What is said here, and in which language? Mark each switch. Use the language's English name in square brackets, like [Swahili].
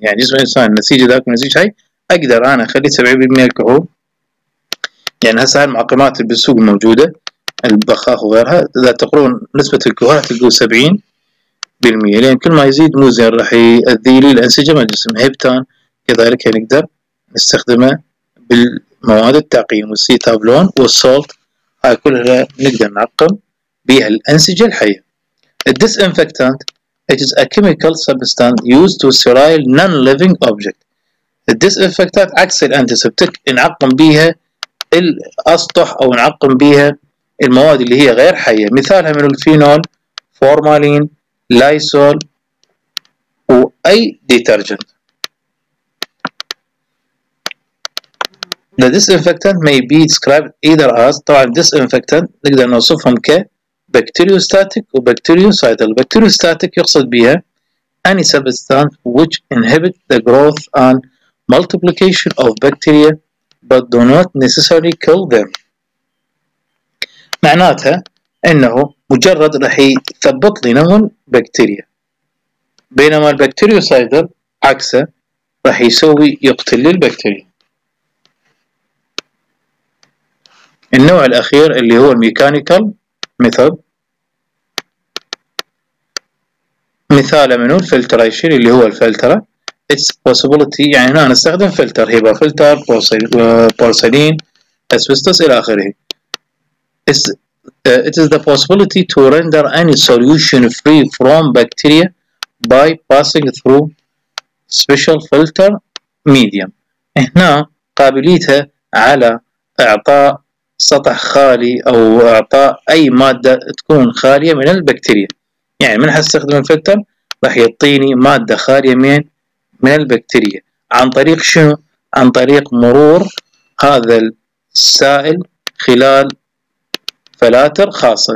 [Arabic] يعني جسم الإنسان نسيج ذاك ونسيج هاي، أقدر أنا أخلي 70% الكحول، يعني هسه المعقمات بالسوق الموجودة البخاخ وغيرها، إذا تقرون نسبة الكحول تقول 70%، لأن كل ما يزيد مو زين راح يأذي لي الأنسجة من الجسم. هيبتان كذلك نقدر نستخدمه بالمواد التعقيم، والسيتافلون والسولت، هاي كلها نقدر نعقم بها الأنسجة الحية. [English] الديسانفكتانت It is a chemical substance used to sterile non-living object. [Arabic] الديسانفكتات عكس الانتيسبتك، نعقم بيها الأسطح أو نعقم بيها المواد اللي هي غير حية، مثالها من الفينول، فورمالين، لايسول، وأي ديترجنت. [English] The disinfectant may be described either as، [Arabic] طبعا [English] disinfectant [Arabic] نقدر نوصفهم ك بكتيريوستاتيك وبكتيريوسايتال. بكتيريوستاتيك يقصد بها [English] any substance which inhibit the growth and multiplication of bacteria but do not necessarily kill them، [Arabic] معناتها انه مجرد راح يثبط لي نمو البكتيريا، بينما البكتيريوسايتال عكسه راح يسوي يقتل لي البكتيريا. النوع الاخير اللي هو الميكانيكال ميثود، مثال منو؟ الفلتريشن اللي هو الفلترة. [English] It's possibility، [Arabic] يعني هنا نستخدم فلتر، هيبا فلتر، بورسلين، أسبستوس إلى آخره. [English] It is the possibility to render any solution free from bacteria by passing through special filter medium. [Arabic] هنا قابليتها على إعطاء سطح خالي أو إعطاء أي مادة تكون خالية من البكتيريا. يعني من هستخدم الفلتر راح يعطيني مادة خالية من البكتيريا، عن طريق شنو؟ عن طريق مرور هذا السائل خلال فلاتر خاصة.